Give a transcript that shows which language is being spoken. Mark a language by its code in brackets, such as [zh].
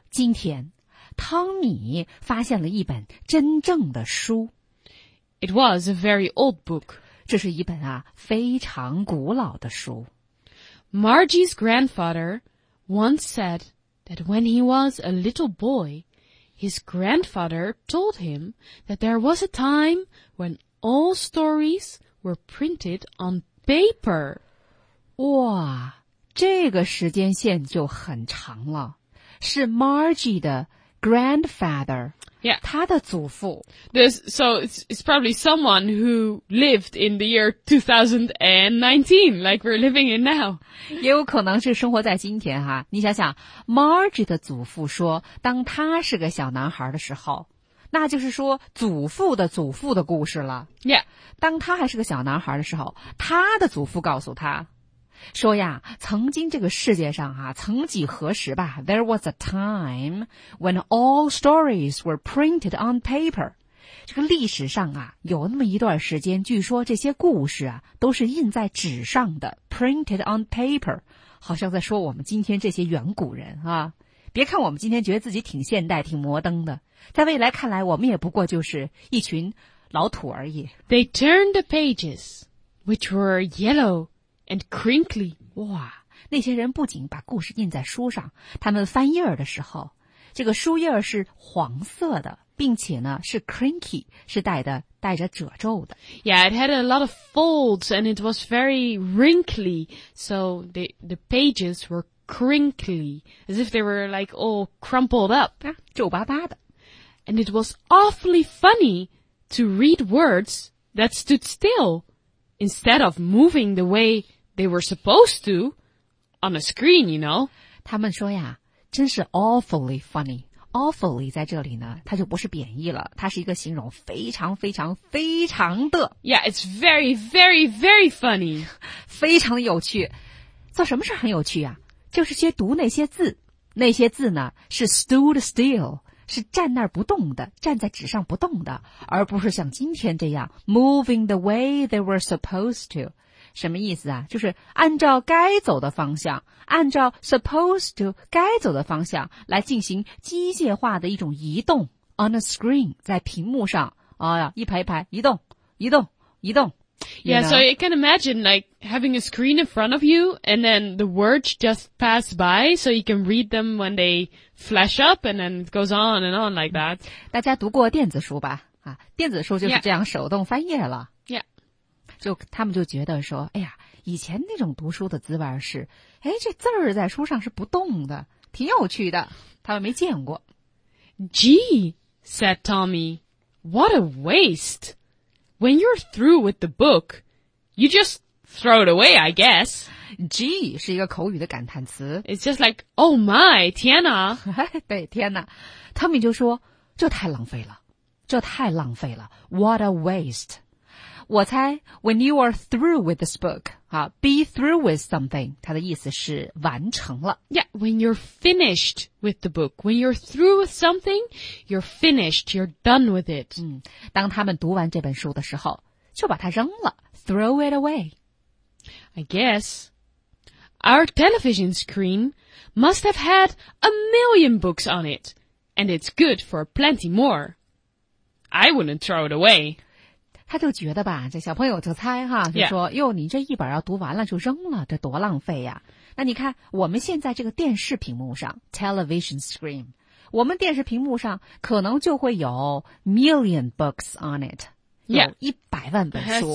[zh] 今天，汤米发现了一本真正的书。 [en] It was a very old book. [zh] 这是一本啊，非常古老的书。 [en] Margie's grandfather once said that when he was a little boy, his grandfather told him that there was a time when all stories were printed on paper. [zh] 哇，这个时间线就很长了，是 Margie 的 grandfather， [en] yeah， [zh] 他的祖父。 [en] So it's probably someone who lived in the year 2019, like we're living in now. [zh] 也有可能是生活在今天哈。你想想 ，Margie 的祖父说，当他是个小男孩的时候。那就是说祖父的祖父的故事了。 [en] Yeah. [zh] 当他还是个小男孩的时候，他的祖父告诉他。说呀，曾经这个世界上啊，曾几何时吧 [en] ，there was a time when all stories were printed on paper。 [zh] 这个历史上啊，有那么一段时间，据说这些故事啊，都是印在纸上的 ， [en] printed on paper。 [zh] 好像在说我们今天这些远古人啊，别看我们今天觉得自己挺现代、挺摩登的，在未来看来，我们也不过就是一群老土而已。 [en] They turned the pages, which were yellow. And crinkly. [zh] 哇，那些人不仅把故事印在书上，他们翻页的时候，这个书页是黄色的，并且呢是 crinkly， 是带着褶皱的。 [en] Yeah, it had a lot of folds and it was very wrinkly. So the pages were crinkly, as if they were like all crumpled up. [zh] 皱巴巴的。 [en] And it was awfully funny to read words that stood still. Instead of moving the way they were supposed to on a screen, you know. [zh] 他们说呀，真是 [en] awfully funny. [zh] Awfully 在这里呢，它就不是贬义了，它是一个形容，非常非常非常的。 [en] Yeah, it's very, very, very funny. [zh] 非常有趣。做什么事很有趣啊？就是去读那些字。那些字呢，是 [en] stood still. [zh] 是站那儿不动的，站在纸上不动的，而不是像今天这样 [en] moving the way they were supposed to。 [zh] 什么意思啊？就是按照该走的方向，按照 supposed to 该走的方向来进行机械化的一种移动 [en] on a screen， [zh] 在屏幕上啊、哦，一排一排移动移动移动。 [en] Yeah, you know? So you can imagine like having a screen in front of you and then the words just pass by so you can read them when they flash up and then it goes on and on like that. [zh] 大家读过电子书吧？啊，电子书就是这样手动翻页了。 [en] Yeah. [zh] 就他们就觉得说，哎呀，以前那种读书的滋味是，哎，这字儿在书上是不动的，挺有趣的，他们没见过。 [en] Gee, said Tommy, what a waste. When you're through with the book, you just throw it away, I guess. [zh] Gee 是一个口语的感叹词。 [en] It's just like, oh my, [zh] 天哪。对，天哪。 Tommy 就说，这太浪费了。这太浪费了。 [en] What a waste. [zh] 我猜 [en] when you are through with this book,be through with something, [zh] 它的意思是完成了。 [en] Yeah, when you're finished with the book, when you're through with something, you're finished, you're done with it. [zh] 当他们读完这本书的时候，就把它扔了， [en] throw it away. I guess our television screen must have had a million books on it, and it's good for plenty more. I wouldn't throw it away. [zh] 他就觉得吧，这小朋友就猜哈，就说哟，你这一本要读完了就扔了，这多浪费呀。那你看我们现在这个电视屏幕上 [en] television screen, [zh] 我们电视屏幕上可能就会有 [en] million books on it, [zh] 有一百万本书。